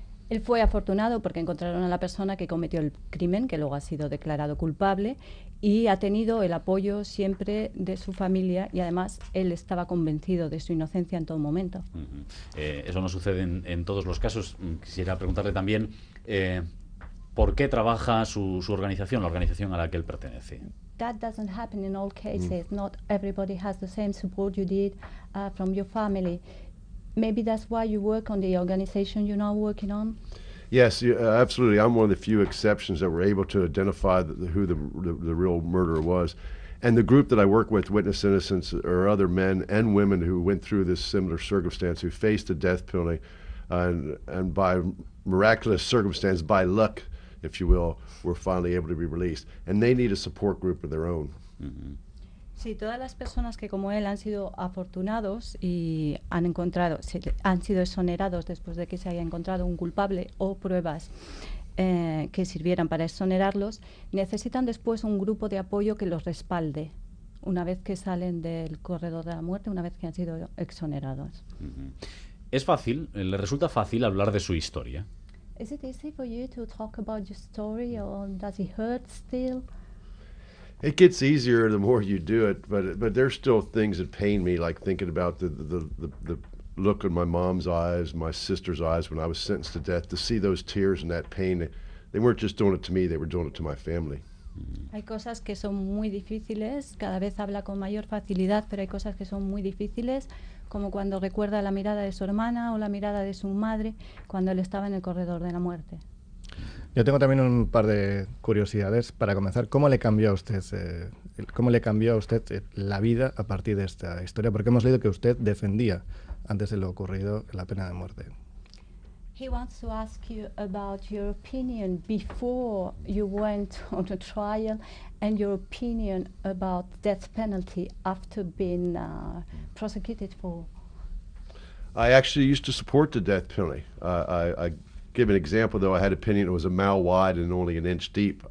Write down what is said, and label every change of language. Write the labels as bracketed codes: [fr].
[es] Él fue afortunado porque encontraron a la persona que cometió el crimen, que luego ha sido declarado culpable, y ha tenido el apoyo siempre de su familia, y además él estaba convencido de su inocencia en todo momento. Eso no sucede en todos los casos. Quisiera preguntarle también, ¿por qué trabaja su organización, la organización a la que él pertenece? [en] That doesn't happen in all cases. Not everybody has the same support you did from your family. Maybe that's why you work on the organization you're now working on? Yes, absolutely. I'm one of the few exceptions that were able to identify who the real murderer was. And the group that I work with, Witness Innocence, are other men and women who went through this similar circumstance, who faced the death penalty, and by miraculous circumstance, by luck, if you will, were finally able to be released. And they need a support group of their own. Mm-hmm. [es] Sí, todas las personas que como él han sido afortunados y han encontrado, han sido exonerados después de que se haya encontrado un culpable o pruebas que sirvieran para exonerarlos, necesitan después un grupo de apoyo que los respalde una vez que salen del corredor de la muerte, una vez que han sido exonerados. Mm-hmm. ¿Es fácil, le resulta fácil hablar de su historia? [en] Is it easy for you to talk about your story or does it hurt still? It gets easier the more you do it, but there's still things that pain me, like thinking about the look in my mom's eyes, my sister's eyes when I was sentenced to death, to see those tears and that pain. They weren't just doing it to me, they were doing it to my family. [es] Hay cosas que son muy difíciles, cada vez habla con mayor facilidad, pero hay cosas que son muy difíciles, como cuando recuerda la mirada de su hermana o la mirada de su madre cuando él estaba en el corredor de la muerte. Yo tengo también un par de curiosidades. Para comenzar, ¿cómo le cambió a usted, la vida a partir de esta historia? Porque hemos leído que usted defendía, antes de lo ocurrido, la pena de muerte. [en] He wants to ask you about your opinion before you went on a trial and your opinion about death penalty after being prosecuted for. I actually used to support the death penalty. Give an example, though. I had an opinion it was a mile wide and only an inch deep.